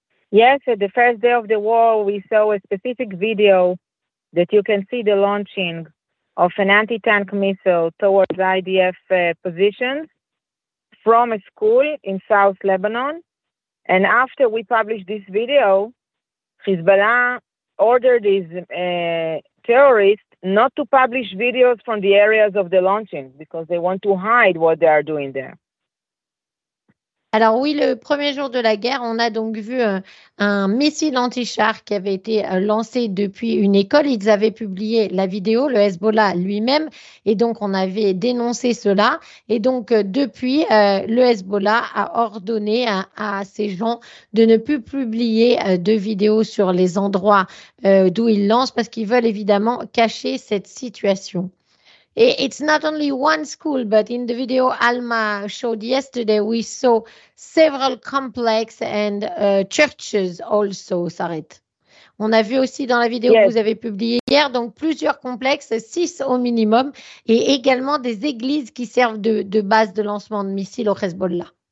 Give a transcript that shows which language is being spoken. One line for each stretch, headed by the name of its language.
English: Yes, at the first day of the war, we saw a specific video that you can see the launching of an anti-tank missile towards IDF positions from a school in South Lebanon. And after we published this video, Hezbollah ordered these terrorists not to publish videos from the areas of the launching because they want to hide what they are doing there.
French: Alors oui, le premier jour de la guerre, on a donc vu un missile anti-char qui avait été lancé depuis une école. Ils avaient publié la vidéo, le Hezbollah lui-même, et donc on avait dénoncé cela. Et donc depuis, le Hezbollah a ordonné à ces gens de ne plus publier de vidéos sur les endroits d'où ils lancent parce qu'ils veulent évidemment cacher cette situation.
English: It's not only one school, but in the video ALMA showed yesterday, we saw several complex and churches also, Sarit.
French: On a vu aussi dans la vidéo que vous avez publiée hier, donc plusieurs complexes, 6 au minimum, et également des églises qui servent de base de lancement de missiles au Hezbollah.